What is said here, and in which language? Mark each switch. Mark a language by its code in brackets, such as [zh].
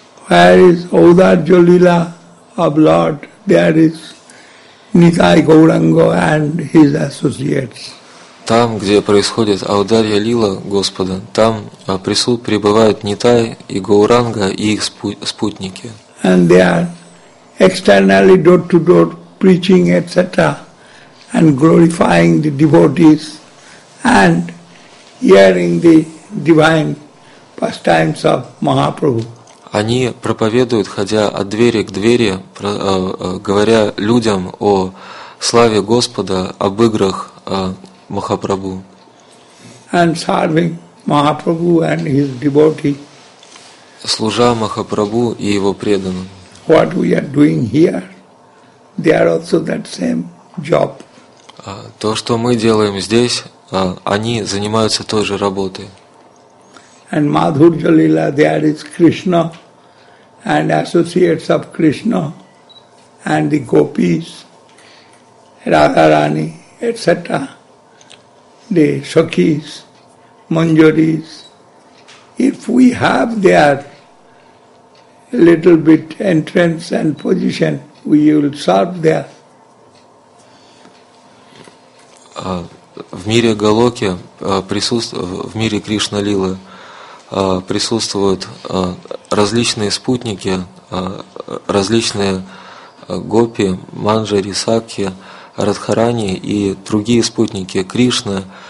[en] Where is Audarjo Lila of Lord? There is Nithai Gauranga and his associates. [ru] Там, где происходит Аударья Лила Господа, там пребывают Нитай и Гауранга и их спутники. [en] And they are externally door-to-door preaching, etc., and glorifying the devotees and hearing the divine pastimes of Mahaprabhu. [ru] Они проповедуют, ходя от двери к двери, говоря людям о славе Господа, об играх Махапрабху. [en] And serving Mahaprabhu and his devotee. [ru] Служа Махапрабху и его преданным. [en] What we are doing here, they are also that same job. [ru] То, что мы делаем здесь, они занимаются той же работой. [en] And Madhurya Lila, there is Krishna and associates of Krishna and the gopis, Radharani, etc., the Sakhis, Manjaris. If we have their little bit entrance and position, we will serve there. [ru] В мире Галоки, в мире Кришна-лилы присутствуют различные спутники, различные гопи, манджари, сакхи, радхарани и другие спутники Кришны.